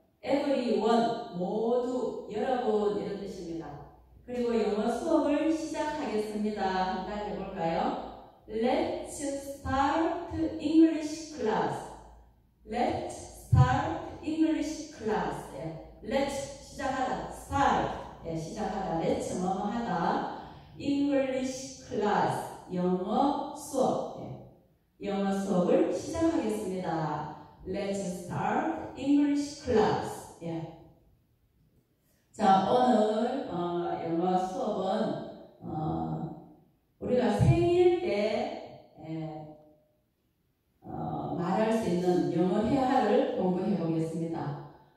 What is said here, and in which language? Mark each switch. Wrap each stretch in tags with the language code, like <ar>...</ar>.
<en>Everyone,</en> <ko>모두 여러분, 이런 뜻입니다. 그리고 영어 수업을 시작하겠습니다. 한번 해볼까요?</ko> <en>Let's start English class. Let's start English class. Let's</en> <ko>시작하다. Start. 네, 시작하다. Let's 뭐뭐 하다.</ko> <en>English class.</en> <ko>영어 수업. 영어 수업을 시작하겠습니다.</ko> <en>Let's start English class. Yeah.</en> <ko>자, 오늘 영어 수업은 우리가 생일 때 말할 수 있는 영어 회화를 공부해 보겠습니다.</ko>